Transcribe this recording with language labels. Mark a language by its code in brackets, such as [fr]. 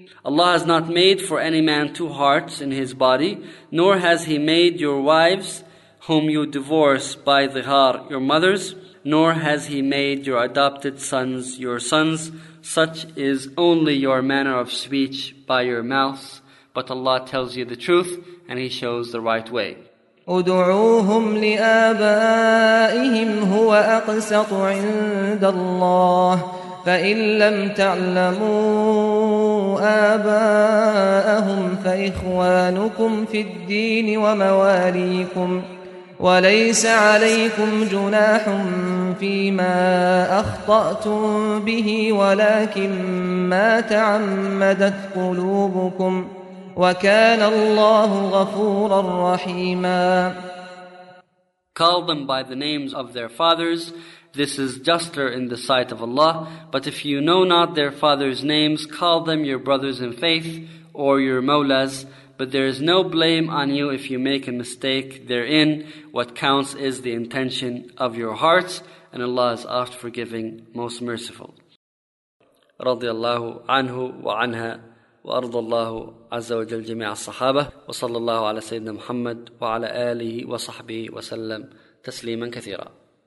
[en] Allah has not made for any man two hearts in his body, nor has He made your wives, whom you divorce by dhihar, your mothers, nor has He made your adopted sons your sons. Such is only your manner of speech by your mouth. But Allah tells you the truth, and He shows the right way. [ar] ادعوهم لآبائهم هو أقسط عند الله فإن لم تعلموا آباءهم فإخوانكم في الدين ومواليكم وليس عليكم جناح فيما أخطأتم به ولكن ما تعمدت قلوبكم وَكَانَ اللَّهُ غَفُورًا رَّحِيمًا. [en] Call them by the names of their fathers. This is juster in the sight of Allah. But if you know not their fathers' names, call them your brothers in faith or your mawlas. But there is no blame on you if you make a mistake therein. What counts is the intention of your hearts. And Allah is oft forgiving, most merciful. [ar] رضي الله عنه وعنها وأرضى الله عز وجل جميع الصحابة وصلى الله على سيدنا محمد وعلى آله وصحبه وسلم تسليما كثيرا.